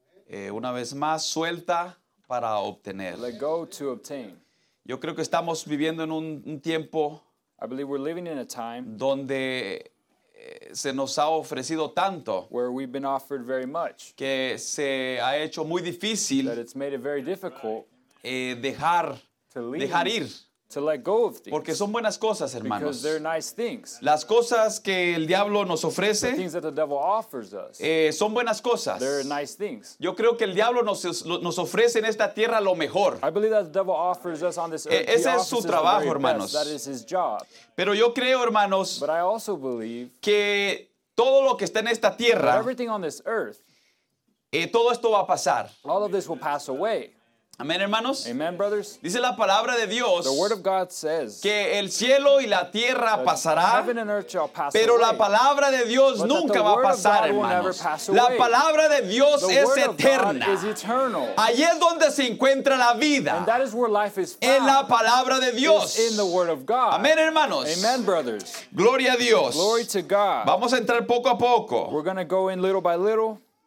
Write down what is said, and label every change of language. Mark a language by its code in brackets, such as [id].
[es] Una vez más, suelta para obtener. [en] Let go to obtain. [es] Yo creo que estamos viviendo en un tiempo [en] I believe we're living in a time [es] donde se nos ha ofrecido tanto [en] where we've been offered very much. [es] Que se ha hecho muy difícil [en] that it's made it very difficult [es] dejar, [en] to leave, [es] dejar ir. [en] To let go of things. [es] Porque son buenas cosas, hermanos. [en] Because they're nice things. [es] Las cosas que el diablo nos ofrece, [en] the things that the devil offers us, [es] son buenas cosas. [en] They're nice things. [es] Yo creo que el diablo nos ofrece en esta tierra lo mejor. [en] I believe that the devil offers us on this earth. [es] Ese es su trabajo, hermanos. [en] That is his job. [es] Pero yo creo, hermanos, [en] But I also believe [es] que todo lo que está en esta tierra, [en] everything on this earth, [es] todo esto va a pasar. [en] All of this will pass away. [es] Amén, hermanos. [en] Amen, brothers. [es] Dice la palabra de Dios [en] the word of God says, [es] que el cielo y la tierra pasará, [en] heaven and earth shall pass [es] pero [en] away. [es] La palabra de Dios [en] But [es] nunca va a pasar, [en] God [es] hermanos. [en] Will never pass away. [es] La palabra de Dios [en] the [es] es eterna. [en] Is eternal. [es] Allí es donde se encuentra la vida. [en] And that is where life is found. [es] En la palabra de Dios. [en] In the word of God. [es] Amén, hermanos. [en] Amen, brothers. [es] Gloria a Dios. [en] Glory to God. [es] Vamos a entrar poco a poco. [en] We're gonna go in little by little.